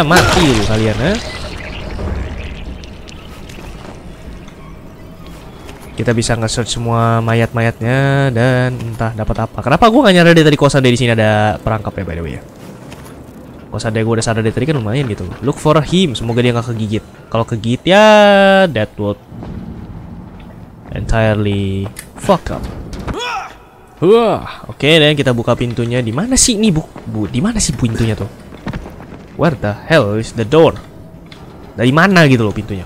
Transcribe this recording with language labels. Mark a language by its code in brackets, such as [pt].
[id] Mati lu kalian, ha? Kita bisa nge-search semua mayat-mayatnya dan entah dapat apa. Kenapa gue gak nyadar dari tadi kosan dia di sini ada perangkap ya [en] by the way [id] ya. Kosan dia gue udah sadar dari tadi kan lumayan gitu. [en] Look for him, [id] semoga dia gak kegigit. Kalau kegigit [en] ya that would entirely fuck up. [id] Wah, oke okay, deh kita buka pintunya. Di mana sih ini, Bu? Di mana sih pintunya tuh? [en] Where the hell is the door? [id] Dari mana gitu loh pintunya?